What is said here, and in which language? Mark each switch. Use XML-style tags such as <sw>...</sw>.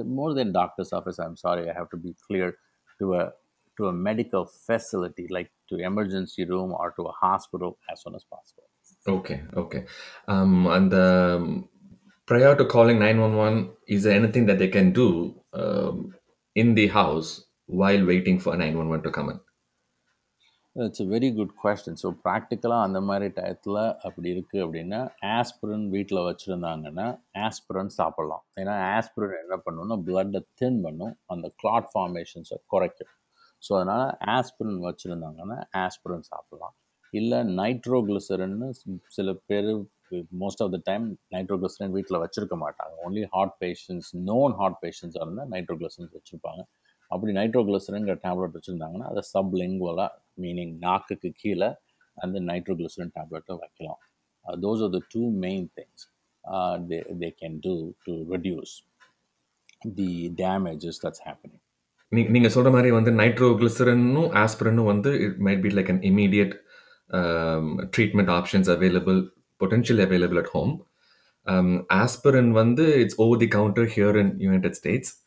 <en>More than doctor's office, I'm sorry, I have to be clear, to a medical facility, like to emergency room or to a hospital as soon as possible. Okay. And prior to calling 911, is there anything that they can do in the house while waiting for 911 to come in? That's a very good question. So practically,</en> <ta>அந்த மாதிரி டைத்தில் அப்படி இருக்குது அப்படின்னா aspirin வீட்டில் வச்சுருந்தாங்கன்னா aspirin சாப்பிட்லாம். ஏன்னா aspirin என்ன பண்ணுன்னா பிளட்டை தின் பண்ணும், அந்த கிளாட் ஃபார்மேஷன்ஸை குறைக்கும். ஸோ அதனால் ஆஸ்பிரின் வச்சுருந்தாங்கன்னா ஆஸ்பிரின் சாப்பிட்லாம். இல்லை நைட்ரோகுளிசரின்னு சில பேர்,</ta> <en>most of the time</en> <ta>நைட்ரோகுளிசரின் வீட்டில் வச்சுருக்க மாட்டாங்க, only heart patients, known heart பேஷண்ட்ஸாக இருந்தால் நைட்ரோகுளிசரின் வச்சுருப்பாங்க. அப்படி நைட்ரோகுளிசரின்ங்கிற டேப்லெட் வச்சுருந்தாங்கன்னா அதை சப்லிங்குவலாக, மீனிங் நாக்குக்கு கீழே அந்த நைட்ரோகுளிசரின் டேப்லெட்டை வைக்கலாம்.</ta> <en>Those are the two main things they can do to reduce the damages that's happening.</en> <ta>நீங்கள் சொல்கிற மாதிரி வந்து நைட்ரோகுளிசரின்னு ஆஸ்பிரின்னு வந்து</ta> <en>It might be like an immediate treatment options available, potentially available at home. Aspirin vandu it's over the counter here in United States.</en>